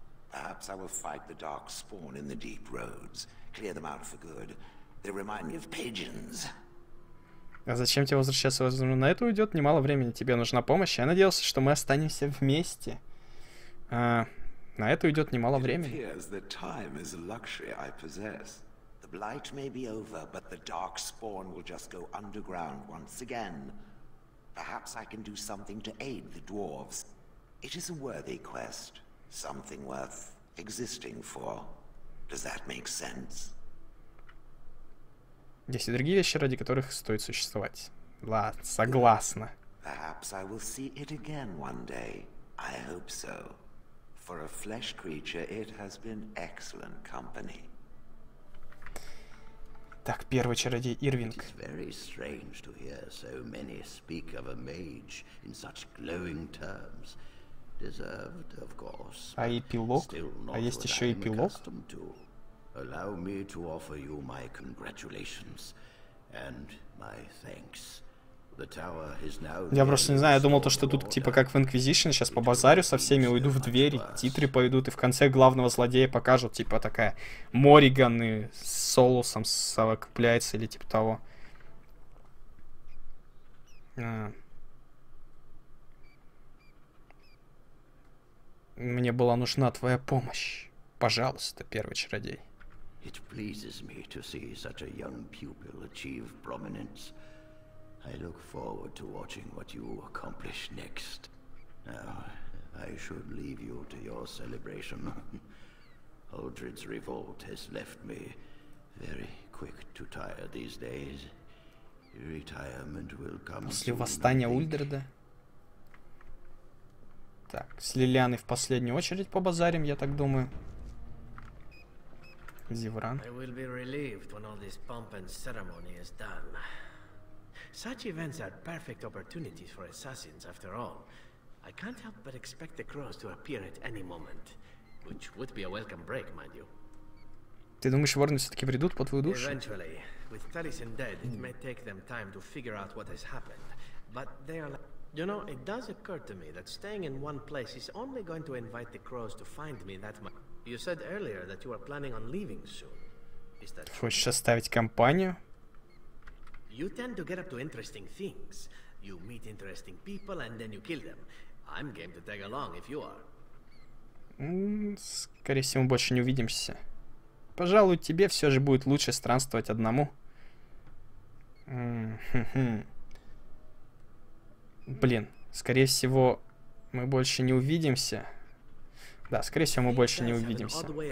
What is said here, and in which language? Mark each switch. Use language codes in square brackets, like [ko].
[en] Perhaps I will fight the dark spawn in the deep roads. Clear them out for good. They remind me of pigeons. [ru] А зачем тебе возвращаться? Возможно, на это уйдет немало времени. Тебе нужна помощь. Я надеялся, что мы останемся вместе. На это уйдет немало времени. [en] It appears that time is a luxury I possess. The The Blight may be over, but the Darkspawn will just go underground once again. Perhaps I can do something to aid the dwarves. It is a worthy quest, something worth existing for. Does that make sense? [ru] Есть и другие вещи, ради которых стоит существовать. Ладно, согласна. [en] Perhaps I will see it again one day. I hope so. For a flesh creature, it has been excellent company. [ru] Так, первый чародей Ирвинг. [en] It is very strange to hear so many speak of a mage in such glowing terms. Deserved, of course. [ru] А эпилог? А есть еще эпилог? [en] Allow me to offer you my congratulations and my thanks. The tower is now. [ru] Я просто не знаю, я думал то, что тут типа как в Inquisition, сейчас по базарю со всеми, уйду в двери, титры пойдут, и в конце главного злодея покажут, типа такая Морриган и с Солусом совокупляется или типа того. Мне была нужна твоя помощь. Пожалуйста, первый чародей. [en] It pleases me to see such a young pupil achieve prominence. I look forward to watching what you accomplish next. Now, I should leave you to your celebration. Aldred's revolt has left me very quick to tire these days. Retirement will come [ru] после восстания Ульдреда. Так, с Лилианой в последнюю очередь по базарим, я так думаю. Зевран. [en] I will be relieved when all this pomp and ceremony is done. Such events are perfect opportunities for assassins, after all. I can't help but expect the crows to appear at any moment, which would be a welcome break, mind you. [ru] Ты думаешь, ворны все-таки придут по твою душу? [en] Eventually, with Taliesin dead, it may take them time to figure out what has happened. But they are, you know, it does occur to me that staying in one place is only going to invite the crows to find me that much. You said earlier that you are planning on leaving soon. Is that? [ru] Хочешь оставить компанию? [en] You tend to get up to interesting things. You meet interesting people and then you kill them. I'm game to tag along if you are. [ru] Скорее всего, мы больше не увидимся. Пожалуй, тебе все же будет лучше странствовать одному. Блин, скорее всего, мы больше не увидимся. Да, скорее всего, мы больше не увидимся.